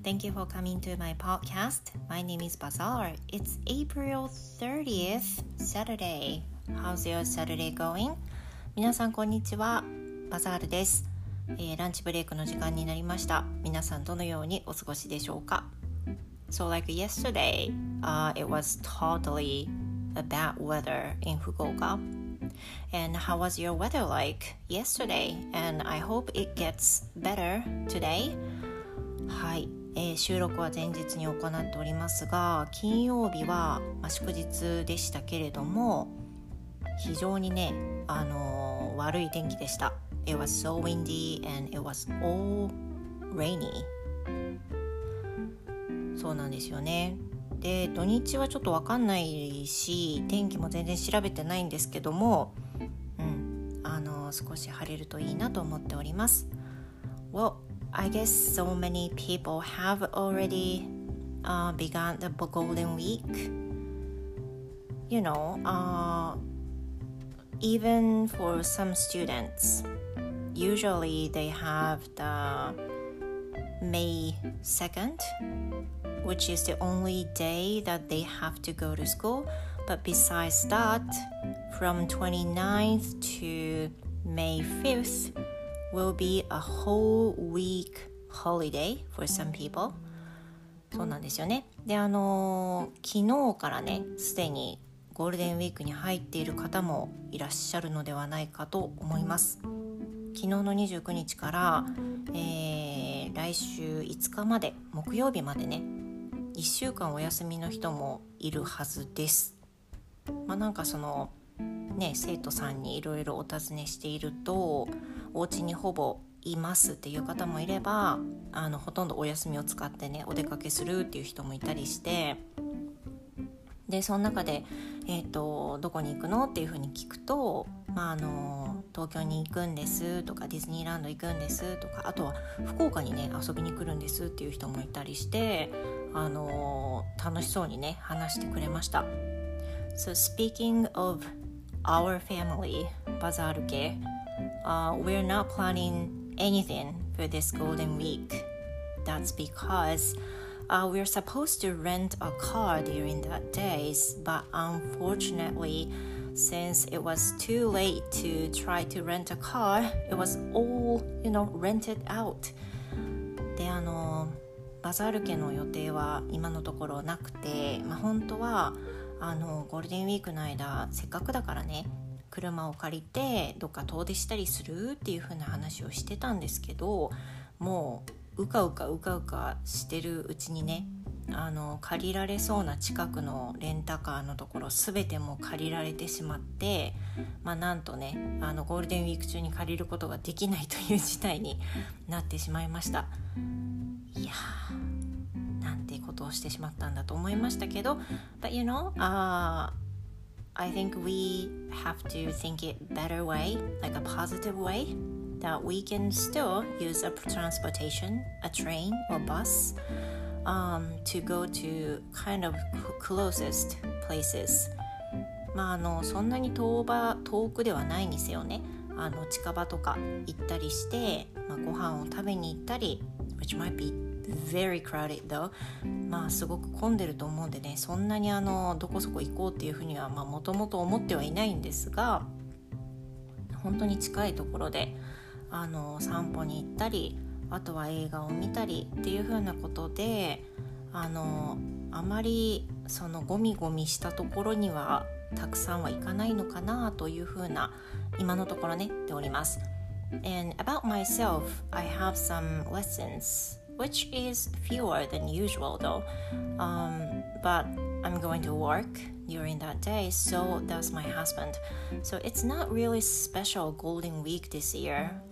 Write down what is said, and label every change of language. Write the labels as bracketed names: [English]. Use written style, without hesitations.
[English] Thank you for coming to my podcast. My name is Bazaar. It's April 30th, Saturday. How's your Saturday going? [Japanese] 皆さんこんにちは。Bazaar です。ランチブレイクの時間になりました。皆さんどのようにお過ごしでしょうか? [English] So like yesterday, it was totally a bad weather in Fukuoka. And how was your weather like yesterday? And I hope it gets better today. [Japanese] はい、収録は前日に行っておりますが、金曜日は、祝日でしたけれども、非常にね、悪い天気でした。 [English] It was so windy and it was all rainy. [Japanese] そうなんですよね。で、土日はちょっとわかんないし、天気も全然調べてないんですけども、少し晴れるといいなと思っております。 [English] Well, I guess so many people have already begun the Golden Week. You know, even for some students, usually they have the May 2nd. Which is the only day that they have to go to school. But besides that, from 29th to May 5th will be a whole week holiday for some people. [Japanese] そうなんですよね。で、昨日からね、すでにゴールデンウィークに入っている方もいらっしゃるのではないかと思います。昨日の29日から、来週5日まで、木曜日までね、1週間お休みの人もいるはずです。まあなんかそのね生徒さんにいろいろお尋ねしているとお家にほぼいますっていう方もいればほとんどお休みを使ってねお出かけするっていう人もいたりしてでその中でどこに行くのっていうふうに聞くとまあ東京に行くんですとかディズニーランド行くんですとかあとは福岡にね遊びに来るんですっていう人もいたりして楽しそうにね話してくれました。 [English] So speaking of our family, Bazaar ke, we're not planning anything for this Golden Week. That's because we're supposed to rent a car during that days, but unfortunately, since it was too late to try to rent a car, it was all, rented out. [Japanese] で、バザール家の予定は今のところなくて、まあ、本当はゴールデンウィークの間、せっかくだからね、車を借りてどっか遠出したりするっていう風な話をしてたんですけど、もう、うかうかうかうかしてるうちにね借りられそうな近くのレンタカーのところ全ても借りられてしまってまあなんとねゴールデンウィーク中に借りることができないという事態になってしまいましたいやーなんてことをしてしまったんだと思いましたけど [English] But you know, I think we have to think it better way like a positive wayThat we can still use a transportation, a train or bus, to go to kind of closest places. [Japanese] まあそんなに遠くではないにせよね、近場とか行ったりして、まあ、ご飯を食べに行ったり、 [English] which might be very crowded though. [Japanese] まあすごく混んでると思うんでね、そんなにどこそこ行こうっていうふうにはまあ元々思ってはいないんですが、本当に近いところで。散歩に行ったり、あとは映画を見たりっていう風なことで、あまりそのゴミゴミしたところにはたくさんは行かないのかなという風な今のところね、っております。 [English] And about myself, I have some lessons, which is fewer than usual though. But I'm going to work. During that day, so does my husband. So it's not really special Golden Week this year.